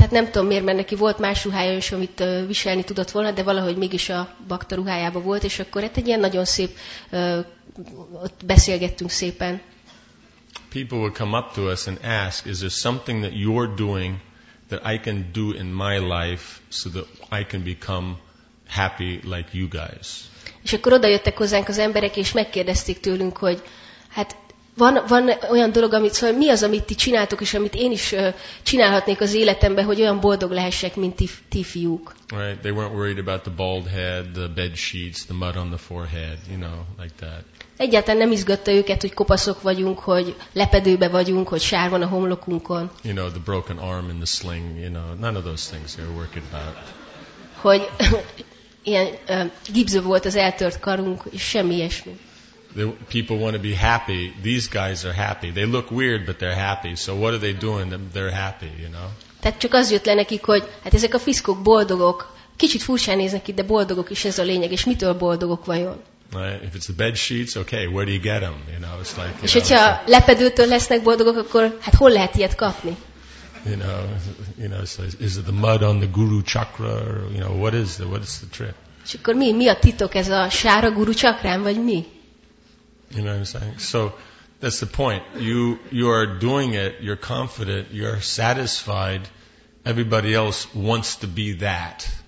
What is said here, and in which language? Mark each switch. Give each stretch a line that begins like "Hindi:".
Hungarian: Hát nem tudom, miért, mert neki volt más ruhája is, amit viselni tudott volna, de valahogy mégis a bakta ruhájában volt, és akkor hát egy ilyen nagyon szép ott beszélgettünk szépen.
English: People would come up to us and ask, is there something that you're doing that I can do in my life so that I can become happy like you guys?
Hungarian: És akkor oda jöttek hozzánk az emberek, és megkérdezték tőlünk, hogy hát van olyan dolog, amit, szóval mi az, amit ti csináltok, és amit én is csinálhatnék az életemben, hogy olyan boldog lehessek, mint ti fiúk.
English: Right, they weren't worried about the bald head, the bed sheets, the mud on the forehead, you know, like that.
Hungarian: Egyáltalán nem izgatta őket, hogy kopaszok vagyunk, hogy lepedőbe vagyunk, hogy sár van a homlokunkon.
English: You know, the broken arm in the sling, you know, none of those things they were worried about.
Hungarian: Hogy ilyen gipsző volt az eltört karunk, és semmi ilyesmi.
English: The people want to be happy. These guys are happy. They look weird, but they're happy. So what are they doing? They're happy, you know?
Hungarian: Tehát csak az jött le nekik, hogy hát ezek a fiszkok boldogok. Kicsit furcsán néznek itt, de boldogok, és ez a lényeg. És mitől boldogok vajon?
English: Right. If it's the bed sheets, okay, where do you get them? You know, it's like, you
Hungarian: és hogyha lepedőtől lesznek boldogok, akkor hát hol lehet ilyet kapni?
English: You know, so is it the mud on the guru chakra? Or, you know, what is the trick?
Hungarian: És akkor mi a titok, ez a sár a guru chakrán, vagy mi?
English: You know what I'm saying? So that's the point. You are doing it, you're confident, you're satisfied, everybody else wants to be that.